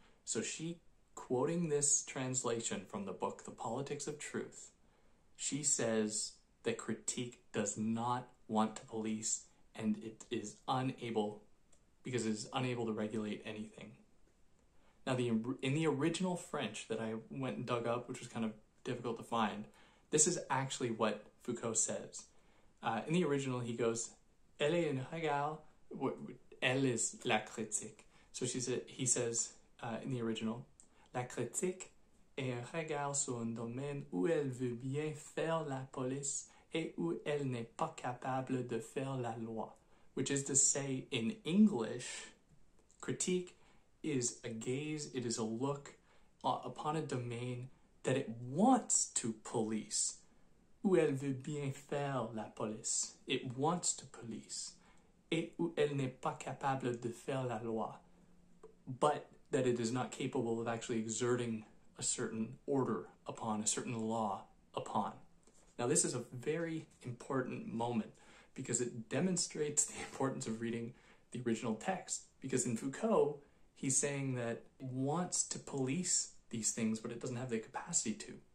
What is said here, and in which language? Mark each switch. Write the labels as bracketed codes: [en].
[en] So she, quoting this translation from the book The Politics of Truth, she says that critique does not want to police, and it is unable, because it is unable to regulate anything. Now, in the original French that I went and dug up, which was kind of difficult to find, this is actually what Foucault says. In the original, he goes, [fr] elle est un regard, elle [en] is [fr] la critique. [en] So he says in the original, [fr] la critique est un regard sur un domaine où elle veut bien faire la police, et où elle n'est pas capable de faire la loi. [en] which is to say, in English, critique is a gaze, it is a look upon a domain that it wants to police. [fr] Où elle veut bien faire la police. [en] It wants to police. [fr] Et où elle n'est pas capable de faire la loi. [en] But that it is not capable of actually exerting a certain order upon, a certain law upon. Now, this is a very important moment because it demonstrates the importance of reading the original text. Because in Foucault, he's saying that it wants to police these things, but it doesn't have the capacity to.